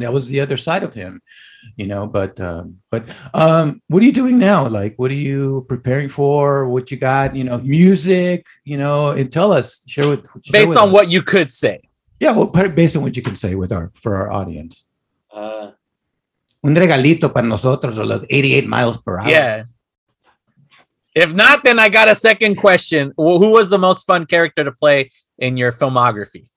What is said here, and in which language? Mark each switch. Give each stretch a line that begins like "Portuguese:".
English: That was the other side of him, you know. But what are you doing now? Like, what are you preparing for? What you got? You know, music. You know, and tell us. Share with us what you could say. Yeah, well, based on what you can say for our audience.
Spanish: Un regalito para nosotros los 88 miles per hour.
English: Yeah. If not, then I got a second question. Well, who was the most fun character to play in your filmography?